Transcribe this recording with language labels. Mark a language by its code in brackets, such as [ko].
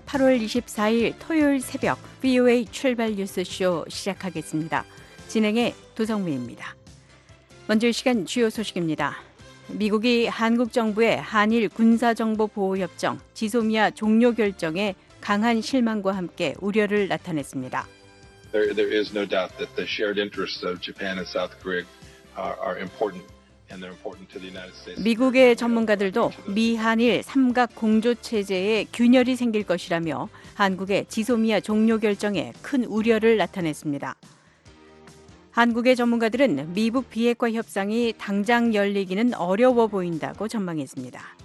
[ko] 8월 24일 토요일 새벽 VOA 출발 뉴스 쇼 시작하겠습니다. 진행의 도성미입니다. 먼저 이 시간 주요 소식입니다. 미국이 한국 정부의 한일 군사정보보호협정 지소미아 종료 결정에 강한 실망과 함께 우려를 나타냈습니다. [en] There is no doubt that the shared interests of Japan and South Korea are important and they're important to the United States. [ko] 미국의 전문가들도 미한일 삼각 공조 체제에 균열이 생길 것이라며 한국의 지소미아 종료 결정에 큰 우려를 나타냈습니다. 한국의 전문가들은 미북 비핵화 협상이 당장 열리기는 어려워 보인다고 전망했습니다.